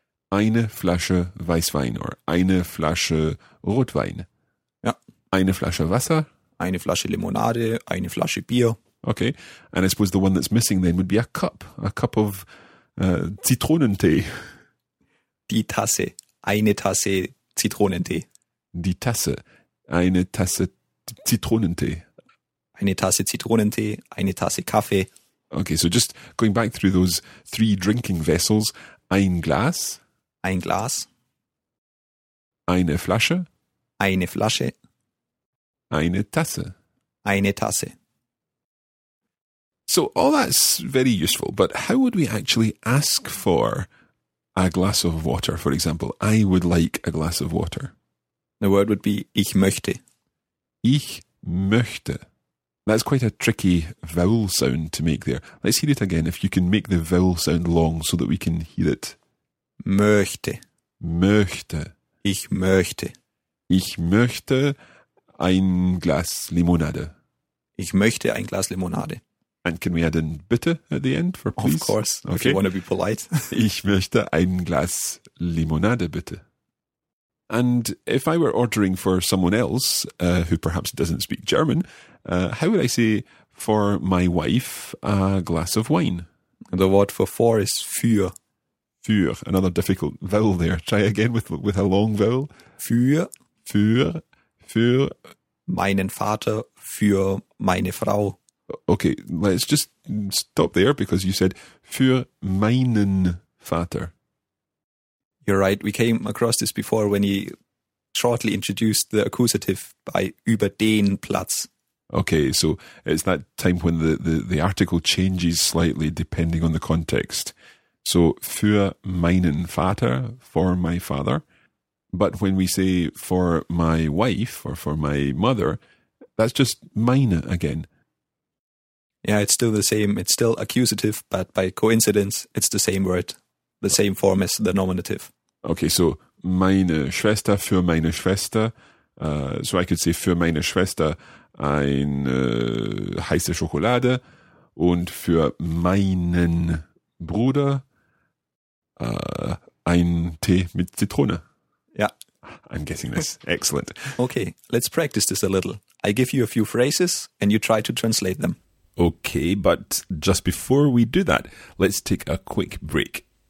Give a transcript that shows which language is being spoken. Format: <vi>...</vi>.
<de>Eine Flasche Weißwein</de> <en>or</en> <de>eine Flasche Rotwein. Ja. Eine Flasche Wasser. Eine Flasche Limonade, eine Flasche Bier.</de> <en>Okay. And I suppose the one that's missing then would be a cup of Zitronentee.</en> <de>Die Tasse, eine Tasse Zitronentee. Die Tasse, eine Tasse Zitronentee. Eine Tasse Zitronentee, eine Tasse Kaffee.</de> <en>Okay, so just going back through those three drinking vessels,</en> <de>ein Glas. Ein Glas. Eine Flasche. Eine Flasche. Eine Tasse. Eine Tasse.</de> <en>So all that's very useful, but how would we actually ask for a glass of water, for example? I would like a glass of water. The word would be</en> <de>ich möchte. Ich möchte.</de> <en>That's quite a tricky vowel sound to make there. Let's hear it again, if you can make the vowel sound long so that we can hear it.</en> <de>Möchte. Möchte. Ich möchte. Ich möchte ein Glas Limonade. Ich möchte ein Glas Limonade.</de> <en>And can we add in bitte at the end for please? Of course, okay. If you want to be polite.</en> <de>Ich möchte ein Glas Limonade, bitte.</de> <en>And if I were ordering for someone else, who perhaps doesn't speak German, how would I say, for my wife, a glass of wine? The word for four is für. Für, another difficult vowel there. Try again with a long vowel.</en> <de>Für. Meinen Vater, für meine Frau.</de> <en>Okay, let's just stop there because you said</en> <de>für meinen Vater.</de> <en>You're right. We came across this before when he shortly introduced the accusative by über den Platz. Okay, so it's that time when the article changes slightly depending on the context. So</en> <de>für meinen Vater,</de> <en>for my father. But when we say for my wife or for my mother, that's just meine again. Yeah, it's still the same. It's still accusative, but by coincidence, it's the same word, the same form as the nominative. Okay, so</en> <de>meine Schwester, für meine Schwester.</de> <en>So I could say</en> <de>für meine Schwester eine heiße Schokolade und für meinen Bruder ein Tee mit Zitrone.</de> <en>Yeah. I'm getting this. Excellent. Okay, let's practice this a little. I give you a few phrases and you try to translate them. Okay, but just before we do that, let's take a quick break.</en>